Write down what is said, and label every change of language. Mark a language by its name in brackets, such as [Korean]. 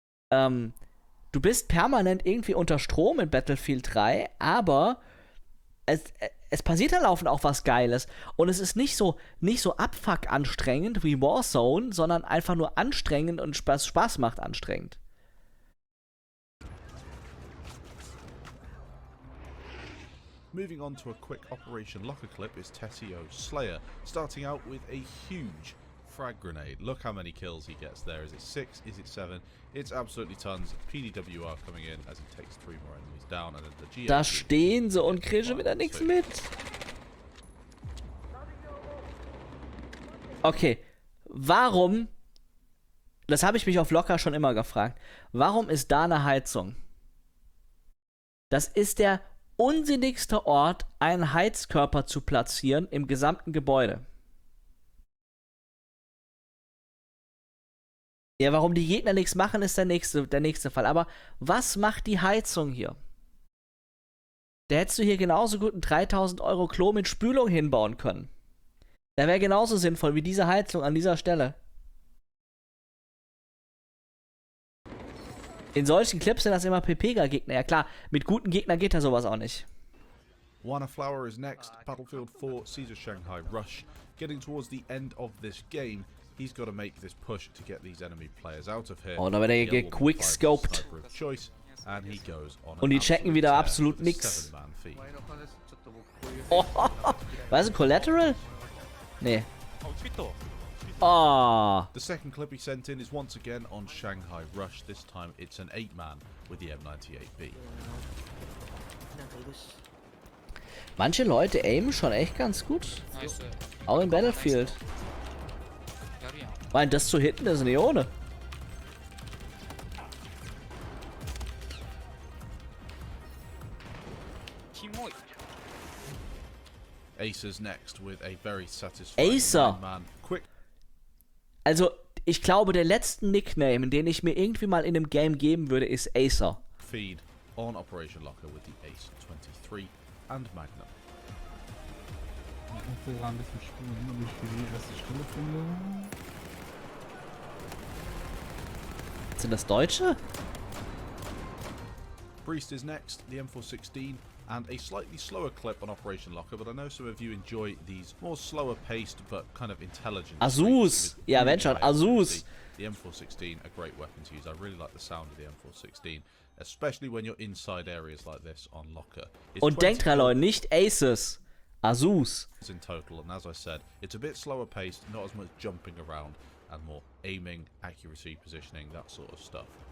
[German] Du bist permanent irgendwie unter Strom in Battlefield 3, aber es passiert da laufend auch was Geiles. Und es ist nicht so abfuck anstrengend wie Warzone, sondern einfach nur anstrengend und Spaß macht anstrengend. [English] Moving on to a quick Operation Locker clip is Tessio Slayer, starting out with a huge frag grenade. Look how many kills he gets there. Is it 6? Is it 7? It's absolutely tons. PDWR coming in as he takes 3 more enemies down. And then the [German] da stehen sie und kriegen wieder nichts mit. Okay, warum, das habe ich mich auf Locker schon immer gefragt, warum ist da eine Heizung? Das ist der unsinnigster Ort, einen Heizkörper zu platzieren im gesamten Gebäude. Ja, warum die Gegner nichts machen, ist der nächste Fall. Aber was macht die Heizung hier? Da hättest du hier genauso gut ein 3000 Euro Klo mit Spülung hinbauen können. Da wäre genauso sinnvoll wie diese Heizung an dieser Stelle. In solchen Clips sind das immer PPG-Gegner. Ja klar, mit guten Gegnern geht da sowas auch nicht. [English] Wanna Flower is next. Battlefield 4, Caesar Shanghai Rush. Getting towards the end of this game, he's got to make this push to get these enemy players out of here. [German] Oh, da wird er gequickscoped. [English] And he goes on. [German] Und die checken wieder absolut nix. Oh, was ist ein Collateral? Nee. Oh. [English] The second clip he sent in is once again on Shanghai Rush. This time it's an 8-man with the M98B. [German] Manche Leute aimen schon echt ganz gut. Nice. Auch in Battlefield. Mein, das zu hitten, das ist eine Ione. [English] Acer's next with a very satisfying 8-man. [German] Also, ich glaube, der letzte Nickname, den ich mir irgendwie mal in einem Game geben würde, ist Acer. [English] Feed on Operation Locker with the Ace 23 and Magnum. [German] Ich möchte gerade ein bisschen spielen, ob ich die erste Stelle finde. Sind das Deutsche? [English] Priest is next, the M416 and a slightly slower clip on Operation Locker, but I know some of you enjoy these more slower paced but kind of intelligent. Azus! Yeah, I mentioned Azus! The M416, a great weapon to use. I really like the sound of the M416, especially when you're inside areas like this on Locker. [German] It's und denkt dran, Leute, nicht Asus! Azus! [English] In total, and as I said, it's a bit slower paced, not as much jumping around, and more aiming, accuracy, positioning, that sort of stuff.